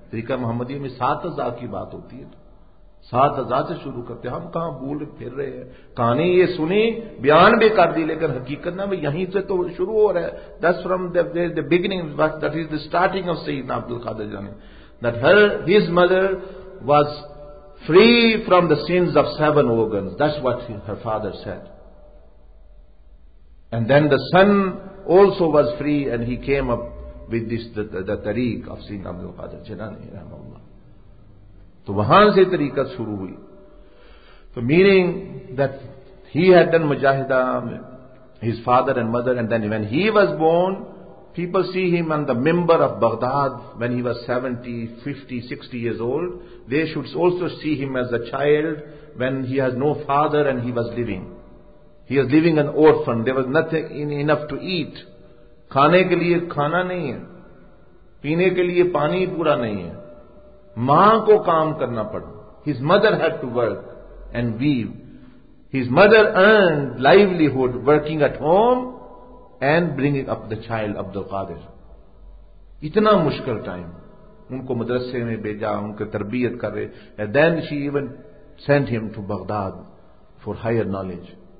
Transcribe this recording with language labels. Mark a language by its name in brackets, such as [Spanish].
[Urdu] طریقہ محمدیہ میں 7,000 کی بات ہوتی ہے. 7,000 سے شروع کرتے ہیں. ہم کہاں بھول پھر رہے ہیں. کہانی یہ سنی بیان بھی کر دی لیکن حقیقت نہ یہیں سے تو شروع ہو رہا ہے. [English] That's from the beginning, that is the starting of Sayyidina Abdul Qadir Jilani. That his mother was free from the sins of 7 organs. That's what her father said. And then the son also was free and he came up with this the tariq of Sayyidina Abdul Qadir Jilani. [Urdu] تو وہاں سے طریقت شروع ہوئی. [English] تو meaning that he had done مجاہدہ his father and mother and then when he was born people see him on the ممبر of Baghdad when he was 70, 50, 60 years old they should also see him as a child when he has no father and he was living an orphan there was nothing enough to eat [Urdu] کھانے کے لیے کھانا نہیں ہے پینے کے لیے پانی پورا نہیں ہے ماں کو کام کرنا پڑا. [English] His mother had to work and weave. His mother earned livelihood working at home and bringing up the child Abdul Qadir. [Urdu] اتنا مشکل ٹائم ان کو مدرسے میں بھیجا ان کی تربیت کرے. [English] And then she even sent him to Baghdad for higher knowledge.